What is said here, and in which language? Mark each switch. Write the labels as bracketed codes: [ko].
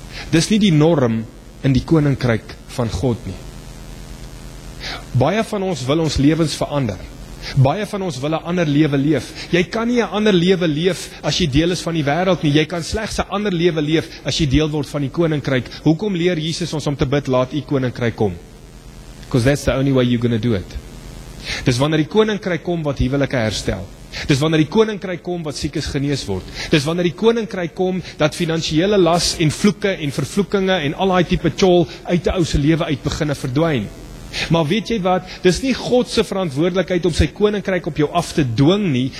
[af] Dis nie die norm in die koninkryk van God nie. Baie van ons wil ons lewens verander. Baie van ons wil 'n ander lewe leef. Jy kan nie 'n ander lewe leef as jy deel is van die wêreld nie. Jy kan slegs 'n ander lewe leef as jy deel word van die koninkryk. Hoekom leer Jesus ons om te bid, laat u koninkryk kom? [en] Because that's the only way you're going to do it. [af] Dis wanneer die koninkryk kom wat huwelike herstel. Dis wanneer die koninkryk kom wat siekes genees word. Dis wanneer die koninkryk kom dat finansiële las en vloeke en vervloekinge en al daai tipe chol uit 'n ou se lewe uit beginne verdwyn. Maar weet jy wat? Dis nie God se verantwoordelikheid om sy koninkryk op jou af te dwing nie.